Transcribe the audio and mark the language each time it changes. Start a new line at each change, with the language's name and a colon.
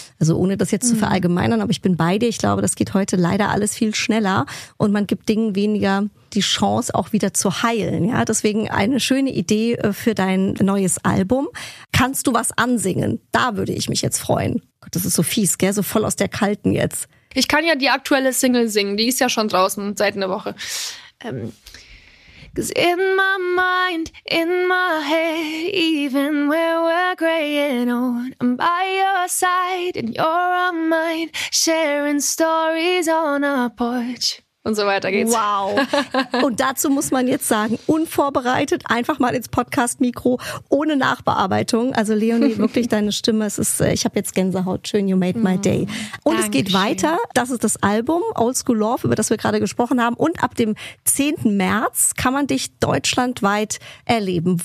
German: Also ohne das jetzt zu verallgemeinern, aber ich bin bei dir, ich glaube, das geht heute leider alles viel schneller und man gibt Dingen weniger die Chance auch wieder zu heilen. Ja, deswegen eine schöne Idee für dein neues Album. Kannst du was ansingen? Da würde ich mich jetzt freuen. Gott, das ist so fies, gell? So voll aus der Kalten jetzt. Ich kann ja die aktuelle Single singen. Die ist ja schon draußen seit einer Woche.
English: Cause in my mind, in my head, even where we're gray and old, I'm by your side and you're on mine, sharing stories on a porch.
German: Und so weiter geht's. Wow. Und dazu muss man jetzt sagen, unvorbereitet, einfach mal ins Podcast-Mikro, ohne Nachbearbeitung. Also Leonie, wirklich deine Stimme, es ist, ich habe jetzt Gänsehaut, schön,
English: you made my day.
German: Und Dankeschön. Es geht weiter, das ist das Album Old School Love, über das wir gerade gesprochen haben. Und ab dem 10. März kann man dich deutschlandweit erleben.